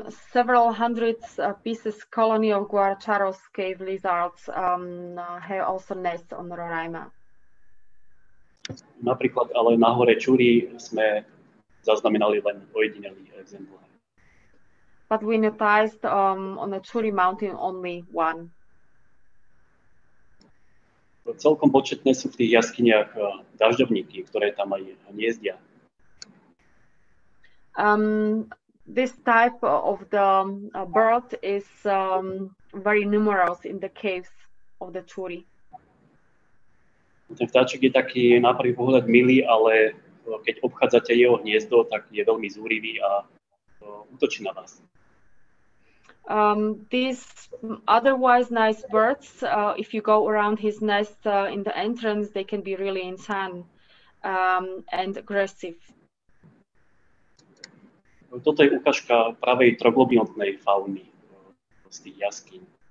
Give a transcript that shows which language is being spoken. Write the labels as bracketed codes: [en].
[en] Several hundreds pieces colony of Cueva Charles cave lizards have also nests on Roraima. [sk] Napríklad ale na hore Čúri sme zaznamenali len ojedinelý exemplár. [en] But we noticed on the Čúri mountain only one. [sk] Celkom početné sú v tých jaskyniach dažďovníky, ktoré tam aj hniezdia. [en] This type of the bird is very numerous in the caves of the Čúri. [sk] Ten vtáčik je taký na prvý pohľad milý, ale keď obchádzate jeho hniezdo, tak je veľmi zúrivý a útočí na vás. [en] These otherwise nice birds, if you go around his nest in the entrance, they can be really insane and aggressive. [sk] Toto je ukážka pravej troglobiontnej fauny z tých jaskín.